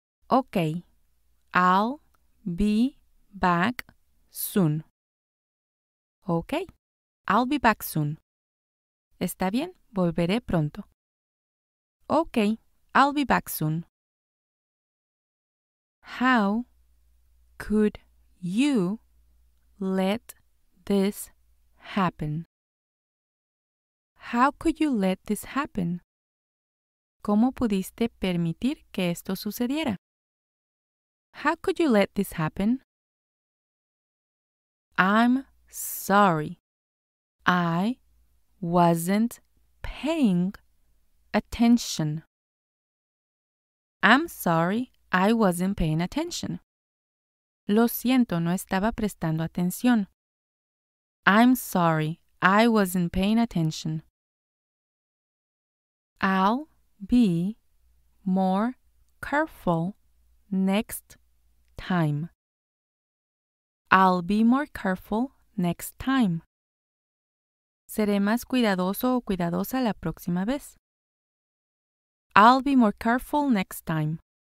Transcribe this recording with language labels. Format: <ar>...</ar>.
<en>Okay, I'll be back soon. Okay, I'll be back soon.</en> <es>Está bien, volveré pronto.</es> <en>Okay, I'll be back soon. How could you let this happen? How could you let this happen?</en> <es>¿Cómo pudiste permitir que esto sucediera?</es> <en>How could you let this happen? I'm sorry. I wasn't paying attention. I'm sorry. I wasn't paying attention.</en> <es>Lo siento, no estaba prestando atención.</es> <en>I'm sorry, I wasn't paying attention. I'll be more careful next time. I'll be more careful next time.</en> <es>Seré más cuidadoso o cuidadosa la próxima vez.</es> <en>I'll be more careful next time.</en>